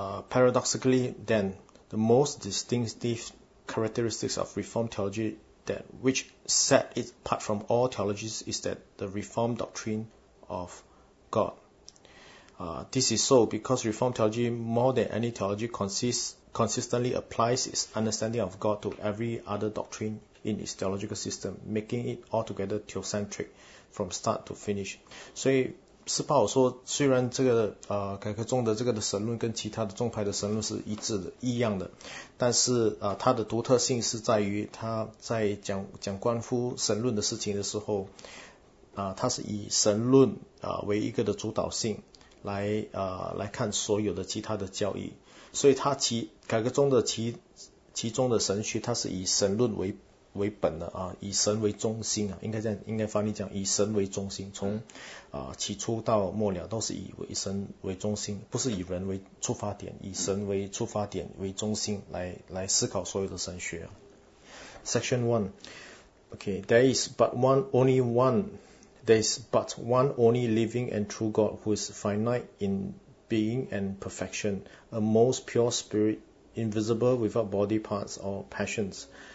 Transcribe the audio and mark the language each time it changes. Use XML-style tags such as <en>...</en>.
<en>Paradoxically then, the most distinctive characteristics of Reformed theology that which set it apart from all theologies is that the Reformed doctrine of GodThis is so because Reformed theology, more than any theology, consistently applies its understanding of God to every other doctrine in its theological system, making it altogether theocentric from start to finish.</en> <zh>所以斯巴尔说，虽然这个改革中的这个的神论跟其他的宗派的神论是一致的、一样的，但是它的独特性是在于它在讲关乎神论的事情的时候，它是以神论为一个的主导性。来看所有的其他的教义，所以他改革中的其中的神学，它是以神论为本的以神为中心应该翻译讲以神为中心，从起初到末了都是以神为中心，不是以人为出发点，以神为出发点为中心来思考所有的神学。</zh> <en>Section one, okay, There is but one only living and true God who is finite in being and perfection, a most pure spirit, invisible without body parts or passions,</en>